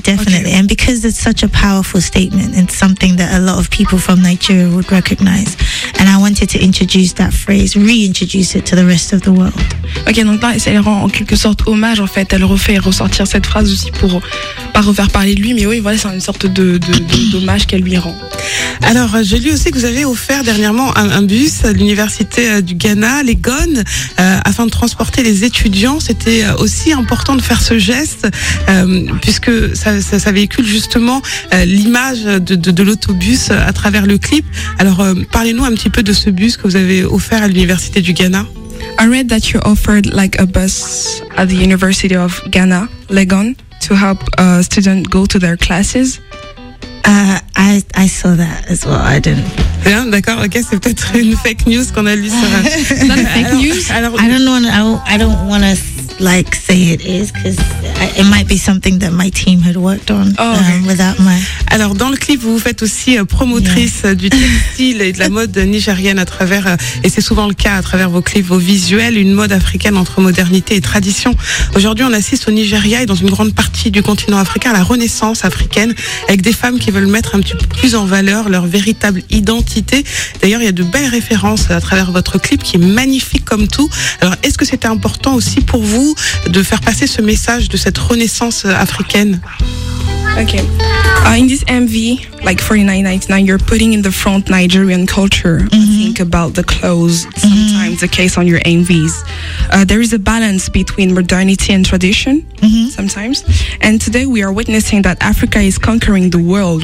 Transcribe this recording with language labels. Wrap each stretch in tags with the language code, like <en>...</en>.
<en>Okay. And because it's such a powerful statement, it's something that a lot of people from Nigeria would recognize. And I wanted to introduce that phrase, reintroduce it to the rest of the world.</en> <fr>Ok, donc là, elle rend en quelque sorte hommage, en fait. Elle refait ressortir cette phrase aussi pour pas refaire parler de lui. Mais oui, voilà, c'est une sorte d'hommage qu'elle lui rend. Alors, j'ai lu aussi que vous avez offert dernièrement un bus à l'université du Ghana, les GON, afin de transporter les étudiants. C'était aussi important de faire ce geste, puisque ça véhicule justement l'image de l'autobus à travers le clip. Alors, parlez-nous un petit peu de ce bus que vous avez offert à l'université du Ghana.</fr> <en>I read that you offered like a bus at the University of Ghana, Legon, to help students go to their classes. I saw that as well. I didn't.</en> <fr>Bien, d'accord. Ok, c'est peut-être une fake news qu'on a lu sur.</fr> <en>Is that a fake news? I don't want to. like say it is because it might be something that my team had worked on without my.</en> <fr>Alors dans le clip, vous faites aussi promotrice du textile et de la mode nigérienne à travers, et c'est souvent le cas à travers vos clips, vos visuels, une mode africaine entre modernité et tradition. Aujourd'hui, on assiste au Nigeria et dans une grande partie du continent africain à la renaissance africaine avec des femmes qui veulent mettre un petit peu plus en valeur leur véritable identité. D'ailleurs, il y a de belles références à travers votre clip qui est magnifique comme tout. Alors, est-ce que c'était important aussi pour vous de faire passer ce message de cette renaissance africaine?</fr> <en>Okay. In this MV, like $49.99, you're putting in the front Nigerian culture. Mm-hmm. Think about the clothes, sometimes the case on your MVs. There is a balance between modernity and tradition, sometimes. And today we are witnessing that Africa is conquering the world.</en>